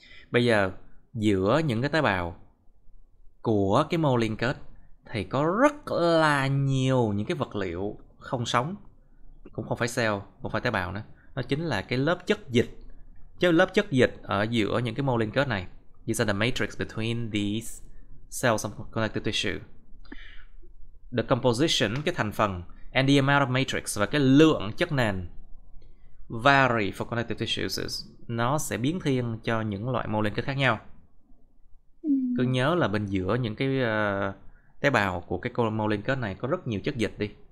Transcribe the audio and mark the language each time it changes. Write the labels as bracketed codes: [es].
[vi] Bây giờ, giữa những cái tế bào của cái mô liên kết thì có rất là nhiều những cái vật liệu không sống, cũng không phải cell, không phải tế bào nữa. Nó chính là cái lớp chất dịch. Chứ lớp chất dịch ở giữa những cái mô liên kết này. [en] It's in the matrix between these cells of connective tissue. The composition, [vi] cái thành phần, [en] and the amount of matrix [vi] và cái lượng chất nền [en] vary for connective tissues. [vi] Nó sẽ biến thiên cho những loại mô liên kết khác nhau. Cứ nhớ là bên giữa những cái tế bào của cái mô liên kết này có rất nhiều chất dịch đi.